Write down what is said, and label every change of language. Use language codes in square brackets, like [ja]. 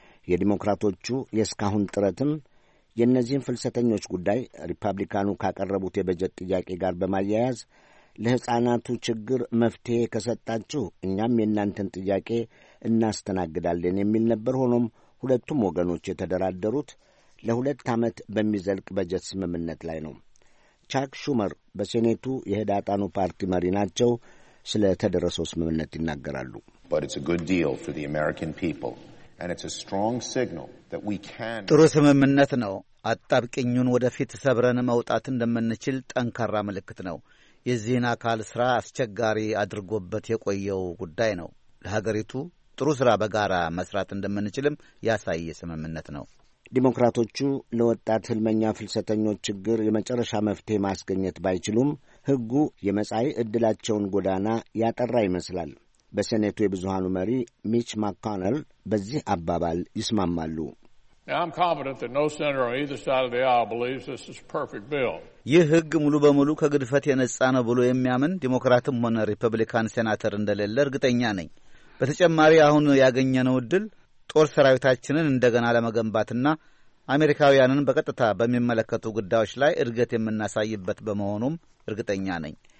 [am] የዲሞክራቶቹ የእስካሁን ጥረትም የእነዚህን ፍልሰተኞች ጉዳይ ሪፐብሊካኑ ካቀረቡት የበጀት ጥያቄ ጋር በማያያዝ ለሕፃናቱ ችግር መፍትሔ ከሰጣችሁ እኛም የእናንተን ጥያቄ እናስተናግዳለን የሚል ነበር። ሆኖም ሁለቱም ወገኖች የተደራደሩት ለሁለት ዓመት በሚዘልቅ በጀት ስምምነት ላይ ነው። ቻክ ሹመር በሴኔቱ የህዳጣኑ ፓርቲ መሪ ናቸው። ስለ ተደረሰው ስምምነት ይናገራሉ። [en] But it's a good deal for the American people and it's a strong signal that we can [am] ጥሩ ስምምነት ነው። አጣብቂኙን ወደፊት ሰብረን መውጣት እንደምንችል ጠንካራ ምልክት ነው። የዚህን አካል ስራ አስቸጋሪ አድርጎበት የቆየው ጉዳይ ነው። ለሀገሪቱ ጥሩ ስራ በጋራ መስራት እንደምንችልም ያሳየ ስምምነት ነው። ዲሞክራቶቹ ለወጣት ህልመኛ ፍልሰተኞች ችግር የመጨረሻ መፍትሄ ማስገኘት ባይችሉም ህጉ የመጻይ እድላቸውን ጎዳና ያጠራ ይመስላል። በሴኔቱ የብዙሃኑ መሪ ሚች ማካነል በዚህ አባባል ይስማማሉ። [en] I'm confident that no senator on either side of the aisle believes this is a perfect bill. [am] ይህ ህግ ሙሉ በሙሉ ከግድፈት የነጻ ነው ብሎ የሚያምን ዲሞክራትም ሆነ ሪፐብሊካን ሴናተር እንደሌለ እርግጠኛ ነኝ። በተጨማሪ አሁን ያገኘነው ድል ጦር ሰራዊታችንን እንደገና ለመገንባትና አሜሪካውያንን በቀጥታ በሚመለከቱ ጉዳዮች ላይ እርግጥ የምናሳይበት በመሆኑም እርግጠኛ ነኝ።